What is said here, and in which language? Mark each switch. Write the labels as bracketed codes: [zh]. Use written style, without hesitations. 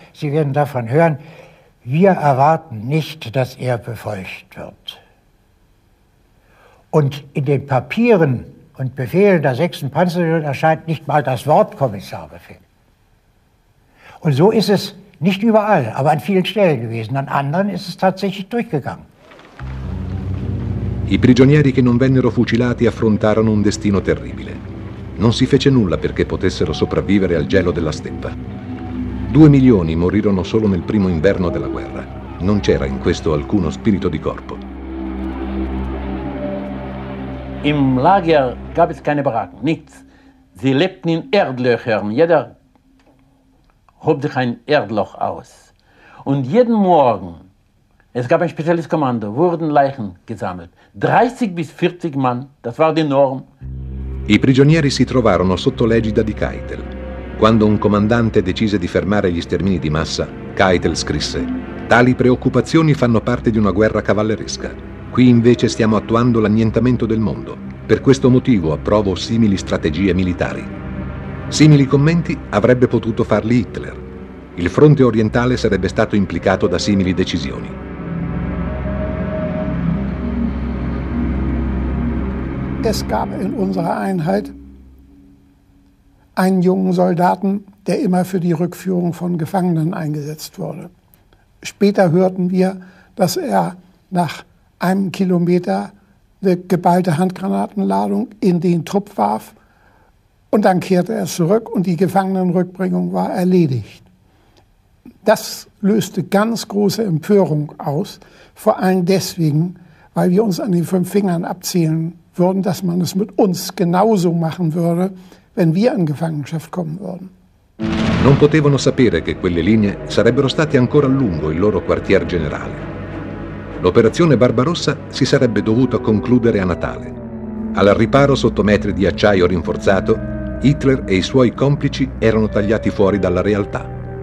[de] Sie werden davon hören, wir erwarten nicht, dass er befolgt wird. Und in den Papieren und Befehlen der 6. Panzerdivision erscheint nicht mal das Wort Kommissarbefehl. Und so ist es nicht überall, aber an vielen Stellen gewesen. An anderen ist es tatsächlich durchgegangen. [it] I prigionieri che non vennero fucilati affrontarono un destino terribile. Non si fece nulla perché potessero sopravvivere al gelo della steppa. 2 milioni morirono solo nel primo inverno della guerra. Non c'era in questo alcuno spirito di corpo. [de] Im Lager gab es keine Baracken, nichts. Sie lebten in Erdlöchern. Jeder hob sich ein Erdloch aus. Und jeden Morgen, es gab ein spezielles Kommando, wurden Leichen gesammelt. 30 bis 40 Mann, das war die Norm. [it] I prigionieri si trovarono sotto l'egida di Keitel. Quando un comandante decise di fermare gli stermini di massa, Keitel scrisse: «Tali preoccupazioni fanno parte di una guerra cavalleresca. Qui invece stiamo attuando l'annientamento del mondo. Per questo motivo approvo simili strategie militari». Simili commenti avrebbe potuto farli Hitler. Il fronte orientale sarebbe stato implicato da simili decisioni. [de] Es gab in unserer Einheit einen jungen Soldaten, der immer für die Rückführung von Gefangenen eingesetzt wurde. Später hörten wir, dass er nach einem Kilometer eine geballte Handgranatenladung in den Trupp warf und dann kehrte er zurück und die Gefangenenrückbringung war erledigt. Das löste ganz große Empörung aus, vor allem deswegen, weil wir uns an den fünf Fingern abzählen würden, dass man es mit uns genauso machen würde, wenn wir in Gefangenschaft kommen würden. [it] Non potevano sapere che quelle linee sarebbero state ancora a lungo il loro quartier generale. L'operazione Barbarossa si sarebbe dovuta concludere a Natale. Al riparo sotto metri di acciaio rinforzato, Hitler e i suoi complici erano tagliati fuori dalla realtà.